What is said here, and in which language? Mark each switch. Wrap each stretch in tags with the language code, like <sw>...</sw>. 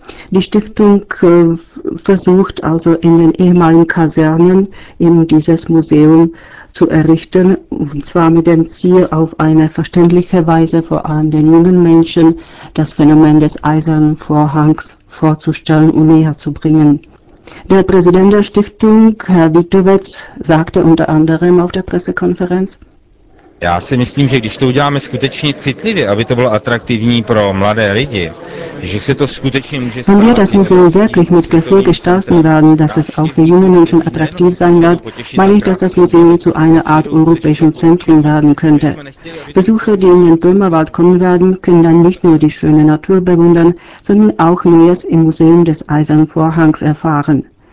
<de>Die Stiftung versucht also in den ehemaligen Kasernen eben dieses Museum zu errichten, und zwar mit dem Ziel, auf eine verständliche Weise vor allem den jungen Menschen das Phänomen des Eisernen Vorhangs vorzustellen und näher zu bringen. Der Präsident der Stiftung, Herr Vítovec, sagte unter anderem auf der Pressekonferenz:</de> <cs>Já si myslím, že když to uděláme skutečně citlivě, aby to bylo atraktivní pro mladé lidi, že se to skutečně může stát.</cs> <de>Wenn wir das Museum wirklich mit Gefühl gestalten werden, dass es auch für junge Menschen attraktiv sein wird, meine ich, dass das Museum zu einer Art europäischem Zentrum werden könnte. Besucher, die in den Böhmerwald kommen werden, können dann nicht nur die schöne Natur bewundern, sondern auch Neues im Museum des Eisernen Vorhangs erfahren.</de>